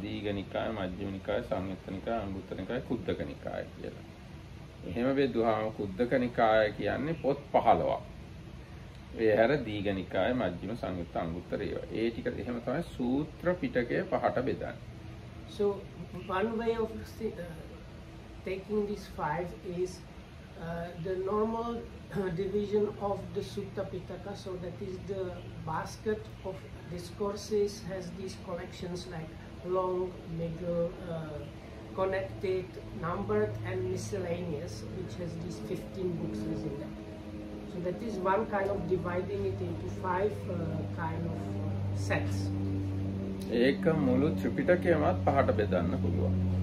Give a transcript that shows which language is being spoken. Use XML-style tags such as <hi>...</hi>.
<si>දීඝ නිකාය, මජ්ක්‍ධිම නිකාය, සංයුත්ත නිකාය, අංගුත්තර නිකාය, කුද්දක නිකාය කියලා. එහෙම බෙදුවාම කුද්දක නිකාය කියන්නේ පොත් 15. ඒ හැර දීඝ නිකාය, මජ්ක්‍ධිම, සංයුත්ත, අංගුත්තර ඒවා. ඒ ටික එහෙම තමයි සූත්‍ර පිටකයේ පහට බෙදන්නේ.</si> <en>So one way of taking these five is the normal division of the Sutta Pitaka. So that is the basket of discourses, has these collections like long, middle, connected, numbered, and miscellaneous, which has these 15 books in that. So that is one kind of dividing it into five kind of sets.</en> <si>ඒක මුළු ත්‍රිපිටකයමත් පහට බෙදන්න පුළුවන්.</si>